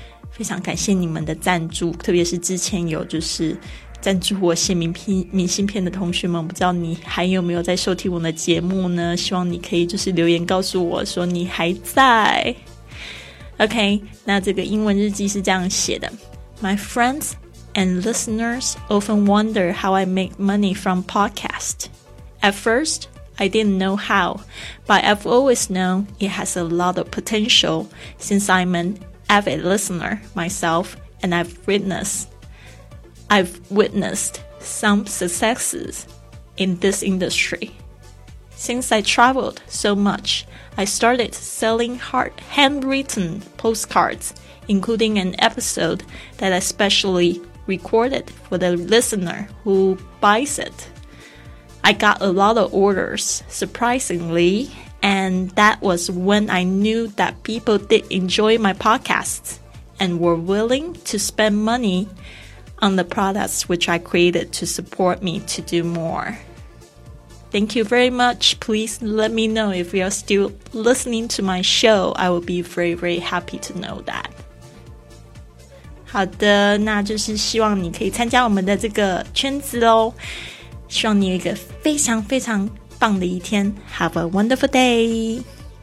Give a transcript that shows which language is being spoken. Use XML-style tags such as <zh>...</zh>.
<zh>非常感谢你们的赞助，特别是之前有就是赞助我写明信片的同学们，不知道你还有没有在收听我的节目呢，希望你可以就是留言告诉我说你还在。 OK， 那这个英文日记是这样写的。</zh> <en>My friends and listeners often wonder how I make money from podcasts. At first, I didn't know how, but I've always known it has a lot of potential since I'm an avid listener myself and I've witnessed some successes in this industry. Since I traveled so much, I started selling handwritten postcards,including an episode that I specially recorded for the listener who buys it. I got a lot of orders, surprisingly, and that was when I knew that people did enjoy my podcasts and were willing to spend money on the products which I created to support me to do more. Thank you very much. Please let me know if you're still listening to my show. I will be very, very happy to know that.</en> <zh>好的，那就是希望你可以参加我们的这个圈子咯，希望你有一个非常非常棒的一天。</zh> <en>Have a wonderful day.</en>